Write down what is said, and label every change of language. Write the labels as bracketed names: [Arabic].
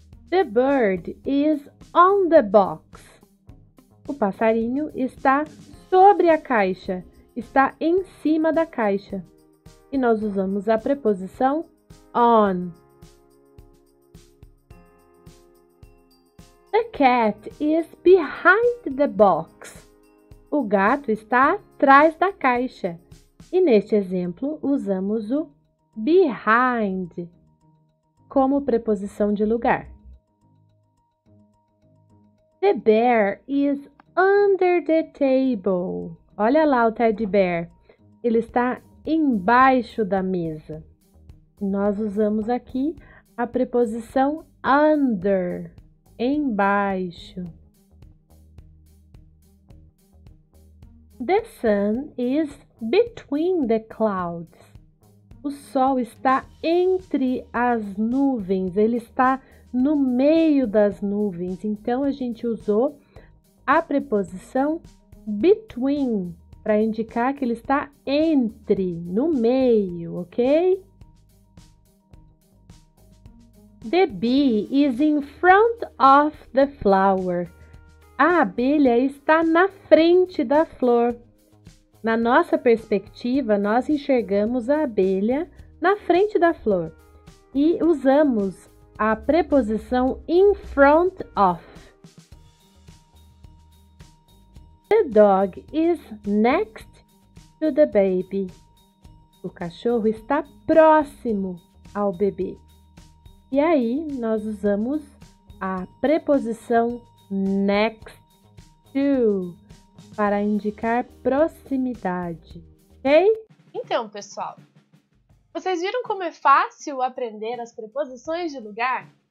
[English] The bird is on the box. [Portuguese] O passarinho está sobre a caixa. Está em cima da caixa. E nós usamos a preposição on. [English] The cat is behind the box. [Portuguese] O gato está atrás da caixa. E neste exemplo, usamos o behind como preposição de lugar. [English] The bear is under the table. [Portuguese] Olha lá o teddy bear, ele está embaixo da mesa. Nós usamos aqui a preposição under, embaixo. [English] The sun is between the clouds. [Portuguese] O sol está entre as nuvens, ele está no meio das nuvens. Então, a gente usou a preposição between, para indicar que ele está entre, no meio, ok? [English] The bee is in front of the flower. [Portuguese] A abelha está na frente da flor. Na nossa perspectiva, nós enxergamos a abelha na frente da flor. E usamos a preposição in front of. [English] The dog is next to the baby. [Portuguese] O cachorro está próximo ao bebê. E aí, nós usamos a preposição next to para indicar proximidade, ok? Então, pessoal, vocês viram como é fácil aprender as preposições de lugar?